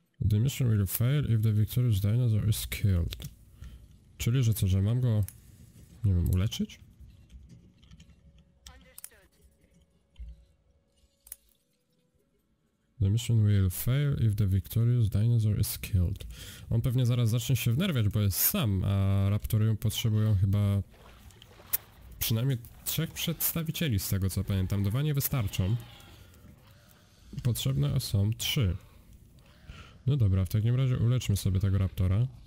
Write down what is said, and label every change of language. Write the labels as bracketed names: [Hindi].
[English] The mission will fail if the victorious dinosaur is killed. [Polish] Czyli, że co, że mam go, nie wiem, uleczyć? [English] The mission will fail if the victorious dinosaur is killed. [Polish] On pewnie zaraz zacznie się wnerwiać, bo jest sam, a raptory potrzebują chyba przynajmniej trzech przedstawicieli, z tego co pamiętam. Dwa nie wystarczą. Potrzebne są trzy. No dobra, w takim razie uleczmy sobie tego raptora.